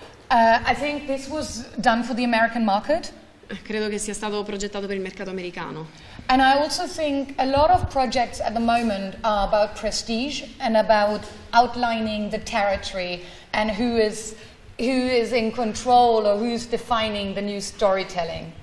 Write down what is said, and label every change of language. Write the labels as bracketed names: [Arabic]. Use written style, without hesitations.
[English] I think this was done for the American market. [Italian] Credo che sia stato progettato per il mercato americano. [English] And I also think a lot of projects at the moment are about prestige and about outlining the territory and who is in control or who's defining the new storytelling.